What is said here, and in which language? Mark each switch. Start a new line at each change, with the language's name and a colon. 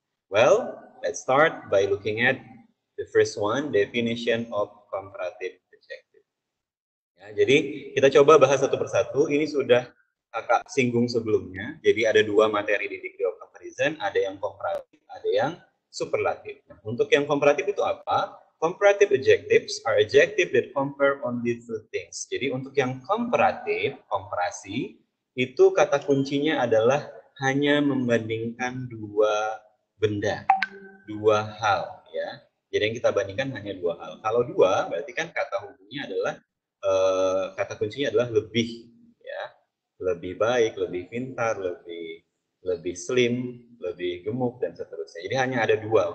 English: Well, let's start by looking at the first one, definition of comparative adjective.
Indonesian: Ya, jadi kita coba bahas satu persatu. Ini sudah kakak singgung sebelumnya. Jadi ada dua materi di degree of comparison. Ada yang comparative, ada yang superlative. Nah, untuk yang comparative itu apa?
English: Comparative adjectives are adjectives that compare only two things.
Indonesian: Jadi untuk yang comparative, komparasi, itu kata kuncinya adalah hanya membandingkan dua benda, dua hal, ya. Jadi yang kita bandingkan hanya dua hal. Kalau dua, berarti kan kata hubungnya adalah kata kuncinya adalah lebih, ya, lebih baik, lebih pintar, lebih slim, lebih gemuk dan seterusnya. Jadi hanya ada dua.